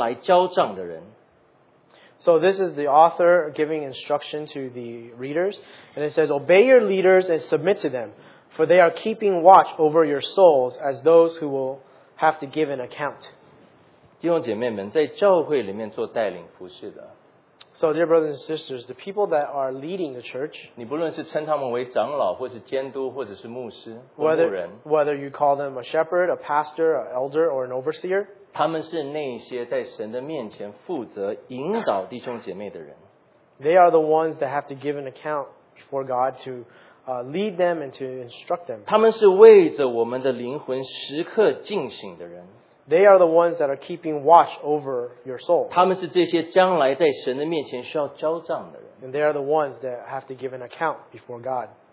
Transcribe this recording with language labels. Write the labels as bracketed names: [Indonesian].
[English] So this is the author giving instruction to the readers, and it says, Obey your leaders and submit to them, for they are keeping watch over your souls as those who will have to give an account. [Chinese] 弟兄姐妹们在教会里面做带领服事的。 [English] So dear brothers and sisters, the people that are leading the church, [Chinese] 你不论是称他们为长老,或是监督,或者是牧师, [English] whether you call them a shepherd, a pastor, an elder, or an overseer, [Chinese] 他们是那些在神的面前负责引导弟兄姐妹的人。 [English] They are the ones that have to give an account for God to lead them and to instruct them. [Chinese] 他们是为着我们的灵魂时刻警醒的人。 [English] They are the ones that are keeping watch over your soul. And they are the ones that have to give an account before God.